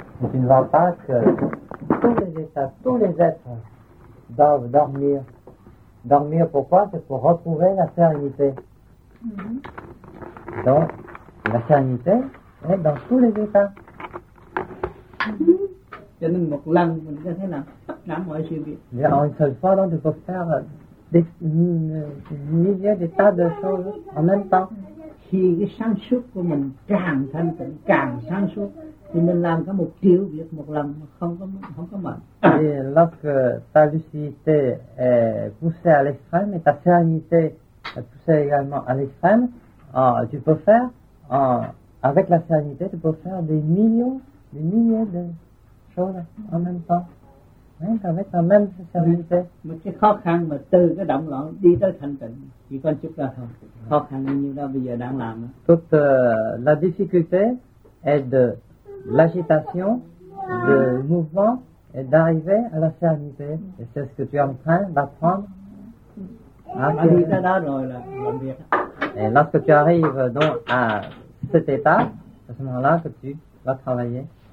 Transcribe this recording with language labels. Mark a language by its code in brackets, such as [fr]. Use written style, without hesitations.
[fr] Tu ne vois pas que tous les états, tous les êtres doivent dormir. Dormir pourquoi? C'est pour retrouver la sérénité. Donc, la sérénité est dans tous les états. [vi] Cho nên một lần mình sẽ thấy là tất cả mọi sự việc. [fr] Et une seule fois, donc, tu peux faire des milliers, des tas de choses en même temps. [vi] Khi cái sáng suốt của mình càng thanh tịnh, càng sáng suốt, thì mình làm cả một triệu việc một lần, không có mệt. [fr] Et lorsque ta lucidité est poussée à l'extrême et ta sérénité est poussée également à l'extrême, tu peux faire, avec la sérénité, tu peux faire des milliers de choses en même temps. Avec la même sérénité. [vi] Mais cái khó khăn mà từ cái động loạn đi tới thanh tịnh chỉ có chút là thôi. Khó khăn như đó bây giờ đang làm. [fr] Toute la difficulté est de l'agitation, du mouvement et d'arriver à la sérénité. Et c'est ce que tu es en train d'apprendre. Et lorsque tu arrives donc à cet état, c'est à ce moment-là que tu vas travailler.